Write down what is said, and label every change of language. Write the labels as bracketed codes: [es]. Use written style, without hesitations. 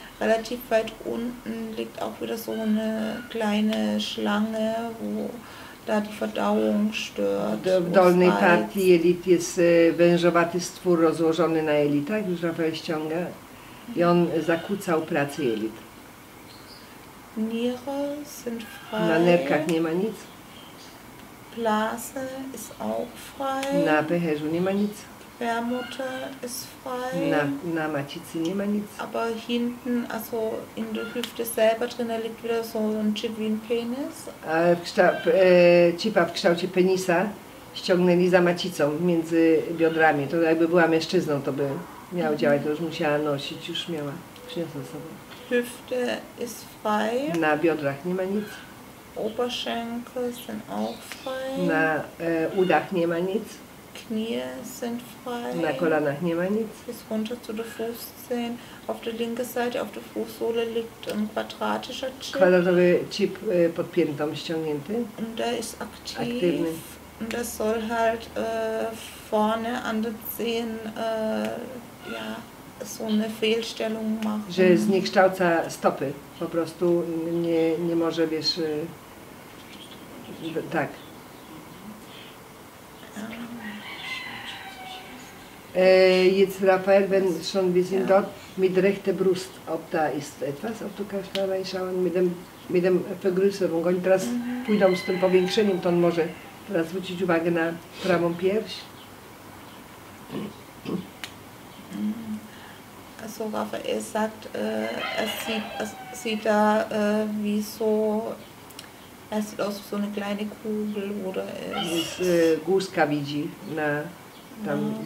[de] Relativ weit unten liegt auch wieder so eine kleine Schlange, wo da die Verdauung stört. [pl] W dolnej partii jelit jest wężowaty stwór rozłożony na jelitach, już Rafael ściąga. I on zakłócał pracę jelit. [de] Niere sind frei. [pl] Na nerkach nie ma nic. [de] Blase ist auch frei. [pl] Na pęcherzu nie ma nic. [de] Gebärmutter ist frei. [pl] Na macicy nie ma nic. [de] Aber hinten, also in der Hüfte selber drin, liegt wieder so ein Chip wie ein Penis. [pl] Chipa w kształcie penisa ściągnęli za macicą między biodrami. To jakby była mężczyzną, to by miało działać, to już musiała nosić, już miała. Przyniosła sobie. [de] Hüfte ist frei. [pl] Na biodrach nie ma nic. [de] Oberschenkel sind auch frei. [pl] Na udach nie ma nic. [de] Knie sind frei. [pl] Na kolanach nie ma nic. [de] Bis runter zu den Fußzehen. Auf der linken Seite, auf der Fußsohle liegt ein quadratischer Chip. [pl] Kwadratowy chip pod piętą ściągnięty. [de] Und der ist [pl] aktywny. [de] Und der soll halt vorne an den Zehen ja, so eine Fehlstellung machen. [pl] Że zniekształca stopy. Po prostu nie może, wiesz, tak. [de] Jetzt Raphael, wenn schon wir sind dort, mit rechter Brust, ob da ist etwas, ob du kannst da reinschauen, mit dem Vergrößerung. [pl] Oni teraz pójdą z tym powiększeniem, to on może teraz zwrócić uwagę na prawą pierś. [de] Also Raphael sagt, er sieht aus wie so eine kleine Kugel, wo da ist. [pl] Jest, Guzka widzi, na, tam no.